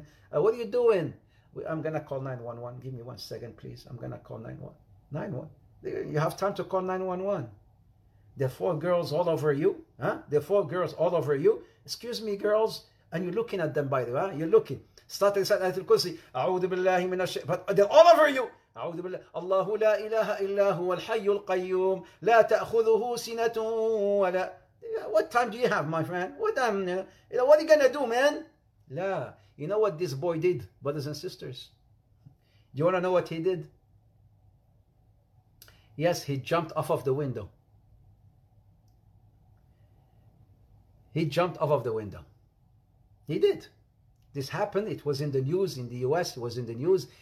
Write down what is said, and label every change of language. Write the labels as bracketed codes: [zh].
[en] What are you doing? I'm going to call 911. Give me 1 second, please. I'm going to call 911. You have time to call 911. There are four girls all over you. Huh? There are four girls all over you. Excuse me, girls. And you're looking at them, by the way. Huh? You're looking. Start inside Ayatul Kursi. [ar] A'udhu billahi minash shaitan. [en] But they're all over you. [ar] أعوذ بالله الله لا إله إلا هو الحي القيوم لا تأخذه سنة ولا [en] What time do you have, my friend? What are you gonna do, man? لا You know what this boy did, brothers and sisters? Do you wanna know what he did? Yes, he jumped off of the window. He jumped off of the window. He did. This happened, it was in the news, in the US, it was in the news.